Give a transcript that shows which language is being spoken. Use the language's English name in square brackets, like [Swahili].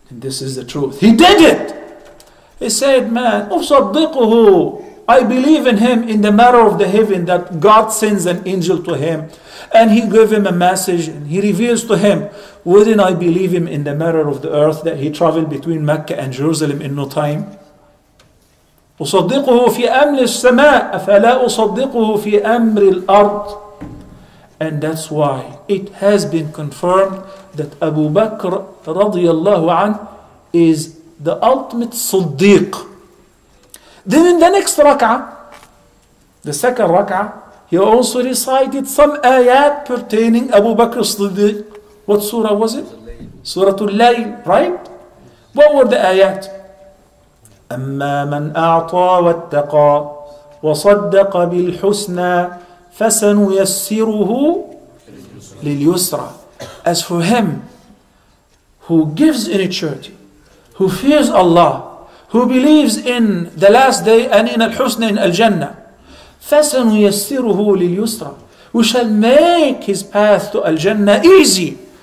[English] And this is the truth. He did it! He said, man, [Arabic] أصدقه. [English] I believe in him in the matter of the heaven that God sends an angel to him. And he gave him a message and he reveals to him, wouldn't I believe him in the matter of the earth that he traveled between Mecca and Jerusalem in no time? [Arabic] أصدقه في أمر السماء فلا أصدقه في أمر الأرض. [English] And that's why it has been confirmed that Abu Bakr [Arabic] رضي الله عنه [English] is the ultimate صديق. Then in the next rak'ah, the second rak'ah, he also recited some ayat pertaining Abu Bakr صديق. What surah was it? Surah Al-Layl, right? What were the ayat? [Arabic] أما من أعطى واتقى وصدق بالحسنى فسنيسره لليسرى. [English] As for him who gives in charity, who fears Allah, who believes in the last day and in al-husna in al-jannah. [Arabic] فَسَنُ يَسِّرُهُ لِلْيُسْرَى. [English] We shall make his path to al-jannah easy.